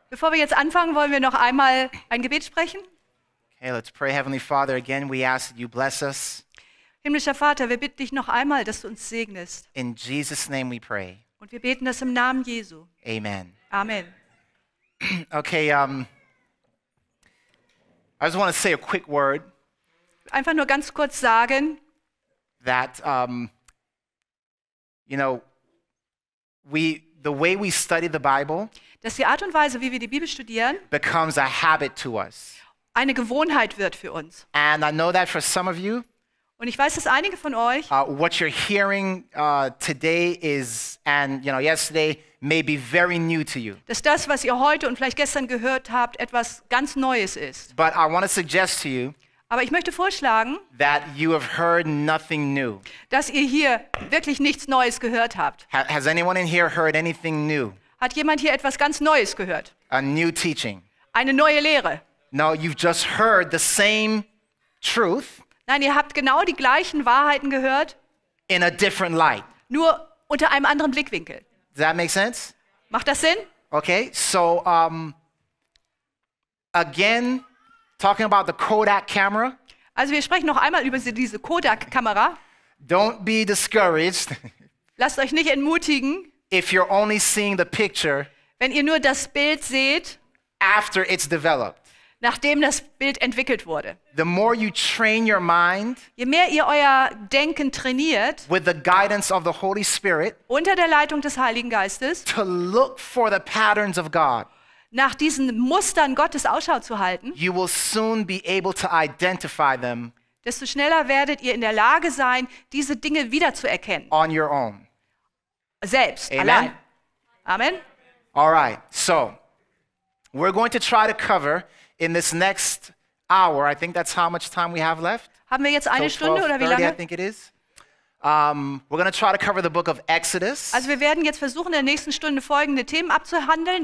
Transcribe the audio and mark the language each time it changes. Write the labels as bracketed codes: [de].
[de] Bevor wir jetzt anfangen, wollen wir noch einmal ein Gebet sprechen. [en] Okay, let's pray. Heavenly Father, again, we ask that you bless us. [de] Himmlischer Vater, wir bitten dich noch einmal, dass du uns segnest. [en] In Jesus' name we pray. [de] Und wir beten das im Namen Jesu. [en] Amen. Amen. Okay, I just want to say a quick word. [de] Einfach nur ganz kurz sagen. [en] That, you know, the way we study the Bible, [de] dass die Art und Weise, wie wir die Bibel studieren, [en] becomes a habit to us. [de] Eine Gewohnheit wird für uns. [en] And I know that for some of you, [de] und ich weiß, dass einige von euch, [en] what you're hearing today is, and you know, yesterday may be very new to you. [de] Dass das, was ihr heute und vielleicht gestern gehört habt, etwas ganz Neues ist. [en] But I want to suggest to you, [de] aber ich möchte vorschlagen, [en] that you have heard nothing new. [de] Dass ihr hier wirklich nichts Neues gehört habt. [en] Has anyone in here heard anything new? [de] Hat jemand hier etwas ganz Neues gehört? [en] A new teaching. [de] Eine neue Lehre. [en] No, you've just heard the same truth. [de] Nein, ihr habt genau die gleichen Wahrheiten gehört. [en] In a different light. [de] Nur unter einem anderen Blickwinkel. [en] Does that make sense? [de] Macht das Sinn? [en] Okay, so again, talking about the Kodak camera. [de] Also wir sprechen noch einmal über diese Kodak Kamera. [en] Don't be discouraged. [de] Lasst euch nicht entmutigen. [en] If you're only seeing the picture. [de] Wenn ihr nur das Bild seht. [en] After it's developed. [de] Nachdem das Bild entwickelt wurde. [en] The more you train your mind. [de] Je mehr ihr euer Denken trainiert. [en] With the guidance of the Holy Spirit. [de] Unter der Leitung des Heiligen Geistes. [en] To look for the patterns of God. [de] Nach diesen Mustern Gottes Ausschau zu halten, [en] you will soon be able to identify them, [de] desto schneller werdet ihr in der Lage sein, diese Dinge wiederzuerkennen. [en] On your own. [de] Selbst, Amen. Allein. Amen. [en] All right, so, we're going to try to cover in this next hour, I think that's how much time we have left. [de] Haben wir jetzt eine so Stunde 12:30, oder wie lange? [en] I think it is. We're going to try to cover the book of Exodus. [de] Also wir werden jetzt versuchen, in der nächsten Stunde folgende Themen abzuhandeln.